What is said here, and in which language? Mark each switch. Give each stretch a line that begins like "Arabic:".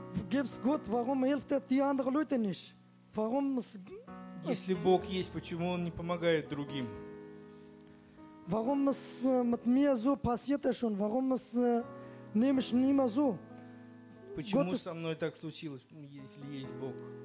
German: Gibt's Gott, warum hilft er die anderen Leute nicht? Warum es...
Russian: Если Бог есть, почему он не помогает другим?
German: Warum es mit mir so passiert ist schon? Warum es nehme ich nicht mehr so?
Russian: Почему со мной так случилось, если есть Бог?